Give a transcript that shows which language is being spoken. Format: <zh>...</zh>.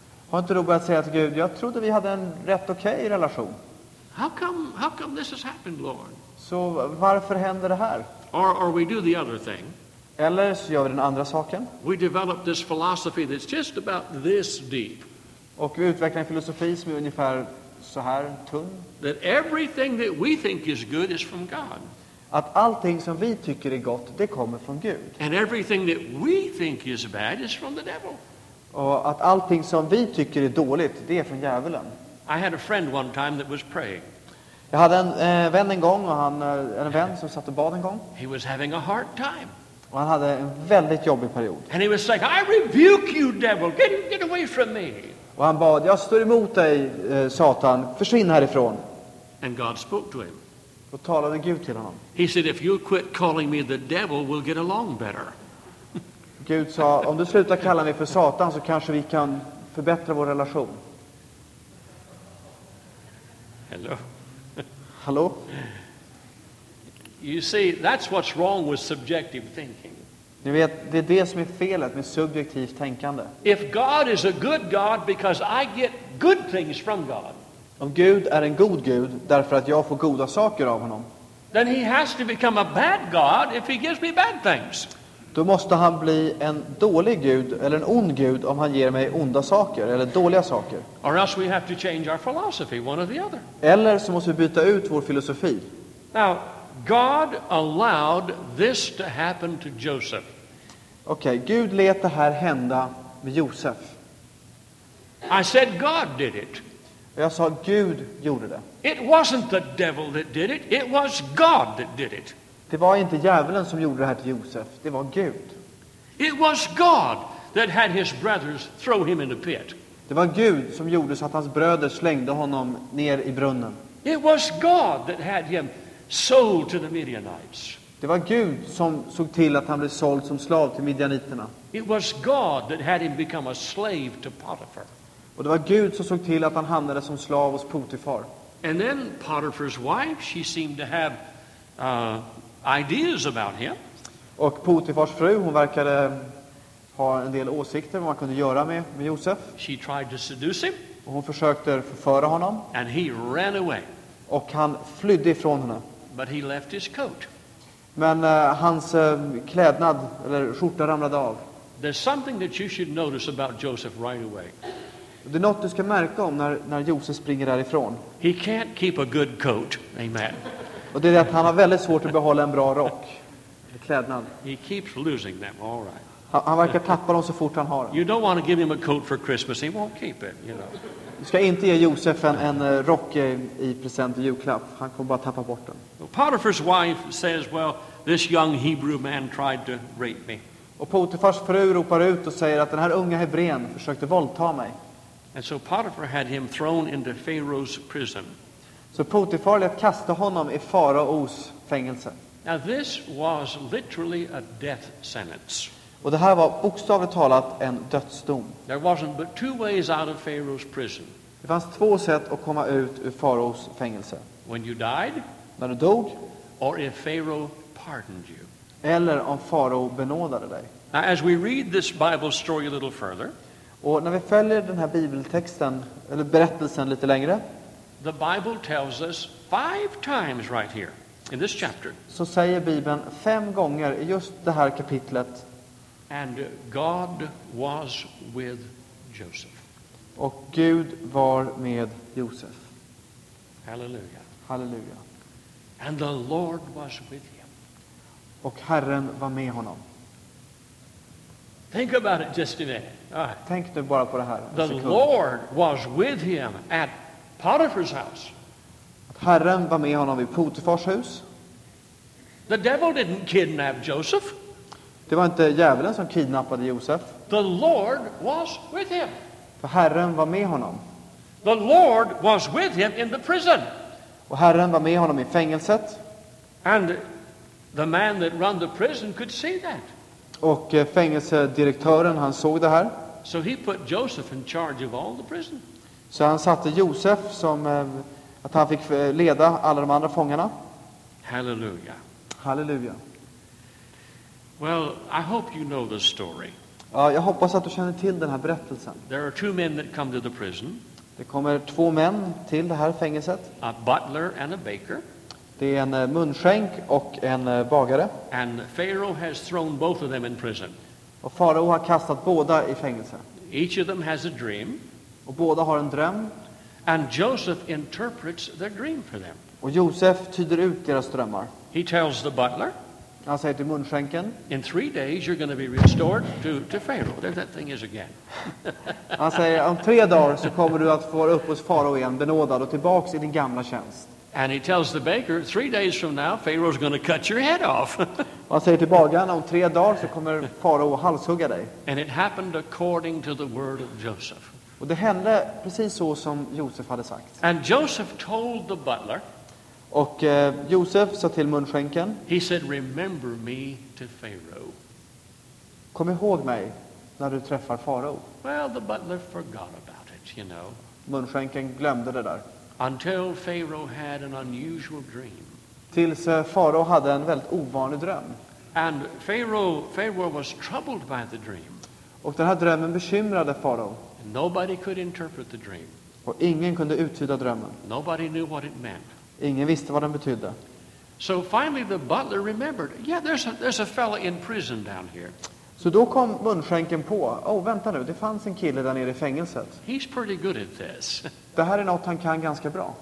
<sv>Har inte du börjat säga till Gud, "Jag trodde vi hade en rätt okej relation."</sv> <en>How come this has happened, Lord?</en> <sv>Så varför händer det här?</sv> <en>Or we do the other thing.</en> <sv>Eller så gör vi den andra saken.</sv> <en>We develop this philosophy that's just about this deep.</en> <sv>Och vi utvecklar en filosofi som är ungefär så här tunn.</sv> <en>That everything that we think is good is from God.</en> <sv>Att allting som vi tycker är gott, det kommer från Gud.</sv> <en>And everything that we think is bad is from the devil.</en> <sv>Och att allting som vi tycker är dåligt, det är från djävulen.</sv> <en>I had a friend one time that was praying.</en> <sv>Jag hade en vän en gång och han en vän som satt och bad en gång.</sv> <en>He was having a hard time.</en> <sv>Och han hade en väldigt jobbig period.</sv> <en>And he was saying, "I rebuke you, devil. Get away from me."</en> <sv>Och han bad, "Jag står emot dig, Satan. Försvinn härifrån."</sv> <en>And God spoke to him.</en> <sv>Och talade Gud till honom.</sv> <en>He said, "If you quit calling me the devil, we'll get along better."</en> <sv>Gud sa, "Om du slutar kalla mig för Satan så kanske vi kan förbättra vår relation."</sv> <en>Hello.</en> <sv>Hallå?</sv> <en>You see, that's what's wrong with subjective thinking.</en> <sv>Ni vet, det är det som är felet med subjektivt tänkande.</sv> <en>If God is a good God because I get good things from God.</en> <sv>Om Gud är en god Gud därför att jag får goda saker av honom.</sv> <en>Then he has to become a bad God if he gives me bad things.</en> <sv>Då måste han bli en dålig Gud eller en ond Gud om han ger mig onda saker eller dåliga saker.</sv> <en>Or else we have to change our philosophy, one or the other.</en> <sv>Eller så måste vi byta ut vår filosofi.</sv> <en>Now, God allowed this to happen to Joseph.</en> <sv>Okej, Gud lät det här hända med Josef.</sv> <en>I said God did it.</en> <sv>Jag sa Gud gjorde det.</sv> <en>It wasn't the devil that did it. It was God that did it.</en> <sv>Det var inte djävulen som gjorde det här till Josef. Det var Gud.</sv> <en>It was God that had his brothers throw him in the pit.</en> <sv>Det var Gud som gjorde så att hans bröder slängde honom ner i brunnen.</sv> <en>It was God that had him sold to the Midianites.</en> <sv>Det var Gud som såg till att han blev såld som slav till midjaniterna.</sv> <en>It was God that had him become a slave to Potiphar.</en> <sv>Och det var Gud som såg till att han hamnade som slav hos Potifar.</sv> <en>And then Potiphar's wife, she seemed to have ideas about him.</en> <sv>Och Potifars fru, hon verkade ha en del åsikter om vad man kunde göra med Josef.</sv> <en>She tried to seduce him.</en> <sv>Och hon försökte förföra honom.</sv> <en>And he ran away.</en> <sv>Och han flydde ifrån henne.</sv> <en>But he left his coat.</en> <sv>Men hans klädnad eller skjorta ramlade av.</sv> <en>There's something that you should notice about Joseph right away.</en> <sv>Det är något du ska märka om när Josef springer därifrån.</sv> <en>He can't keep a good coat. Amen.</en> <sv>Och det är att han har väldigt svårt att behålla en bra rock. Klädnad.</sv> <en>He keeps losing them. All right.</en> <sv>Han verkar tappa dem så fort han har dem.</sv> <en>You don't want to give him a coat for Christmas. He won't keep it, you know.</en> <sv>Du ska inte ge Josef en rock i present i julklapp. Han kommer bara tappa bort den.</sv> <en>Potiphar's wife says, well, this young Hebrew man tried to rape me.</en> <sv>Och Potifars fru ropar ut och säger att den här unga hebrén försökte våldta mig.</sv> <en>And so Potiphar had him thrown into Pharaoh's prison.</en> <sv>Så Potifar lät kasta honom i faraos fängelse.</sv> <en>Now this was literally a death sentence.</en> <sv>Och det här var bokstavligt talat en dödsdom.</sv> <en>There wasn't but two ways out of Pharaoh's prison.</en> <sv>Det fanns två sätt att komma ut ur faraos fängelse.</sv> <en>When you died,</en> <sv>när du dog,</sv> <en>or if Pharaoh pardoned you.</en> <sv>Eller om farao benådade dig.</sv> <en>Now as we read this Bible story a little further,</en> <sv>och när vi följer den här bibeltexten eller berättelsen lite längre,</sv> <en>the Bible tells us five times right here in this chapter.</en> <sv>Så säger Bibeln fem gånger i just det här kapitlet.</sv> <en>And God was with Joseph.</en> <sv>Och Gud var med Josef.</sv> <en>Halleluja.</en> <sv>Halleluja.</sv> <en>And the Lord was with him.</en> <sv>Och Herren var med honom.</sv> <en>Think about it just a minute.</en> <sv>Tänk nu bara på det här.</sv> <en>The Lord was with him at Potiphar's house.</en> <sv>Att Herren var med honom vid Potifars hus.</sv> <en>The devil didn't kidnap Joseph.</en> <sv>Det var inte djävulen som kidnappade Josef.</sv> <en>The Lord was with him.</en> <sv>För Herren var med honom.</sv> <en>The Lord was with him in the prison.</en> <sv>Och Herren var med honom i fängelset.</sv> <en>And the man that run the prison could see that.</en> <sv>Och fängelsedirektören, han såg det här.</sv> <en>So he put Joseph in charge of all the prison.</en> <sv>Så han satte Josef som att han fick leda alla de andra fångarna.</sv> <en>Halleluja.</en> <sv>Halleluja.</sv> <en>Well, I hope you know the story.</en> <sv>Jag hoppas att du känner till den här berättelsen.</sv> <en>There are two men that come to the prison.</en> <sv>Det kommer två män till det här fängelset.</sv> <en>A butler and a baker.</en> <sv>Det är en munskänk och en bagare.</sv> <en>And Pharaoh has thrown both of them in prison.</en> <sv>Och farao har kastat båda i fängelse.</sv> <en>Each of them has a dream.</en> <sv>Och båda har en dröm.</sv> <en>And Joseph interprets their dream for them.</en> <sv>Och Josef tyder ut deras drömmar.</sv> <en>He tells the butler.</en> <sv>Han säger till munskänken.</sv> <en>In three days you're going to be restored to Pharaoh. There that thing is again.</en> <sv>Han säger om tre dagar så kommer du att få upp hos farao igen, benådad och tillbaks i din gamla tjänst.</sv> <en>And he tells the baker, three days from now, Pharaoh's going to cut your head off.</en> <sv>Han säger till bagaren, om tre dagar så kommer farao halshugga dig.</sv> <en>And it happened according to the word of Joseph.</en> <sv>Och det hände precis så som Josef hade sagt.</sv> <en>And Joseph told the butler.</en> <sv>Och Josef sa till munskänken.</sv> <en>He said, remember me to Pharaoh.</en> <sv>Kom ihåg mig när du träffar farao.</sv> <en>Well, the butler forgot about it, you know.</en> <sv>Munskänken glömde det där.</sv> <en>Until Pharaoh had an unusual dream.</en> <sv>Tills farao hade en väldigt ovanlig dröm.</sv> <en>And Pharaoh was troubled by the dream.</en> <sv>Och den här drömmen bekymrade farao.</sv> <en>Nobody could interpret the dream.</en> <sv>Och ingen kunde uttyda drömmen.</sv> <en>Nobody knew what it meant.</en> <sv>Ingen visste vad den betydde.</sv> <en>So finally the butler remembered. Yeah, there's a fellow in prison down here.</en> <sv>Så då kom munskänken på. Oh, vänta nu, det fanns en kille där nere i fängelset.</sv> <en>He's pretty good at this.</en> <sv>Det här är något han kan ganska bra.</sv>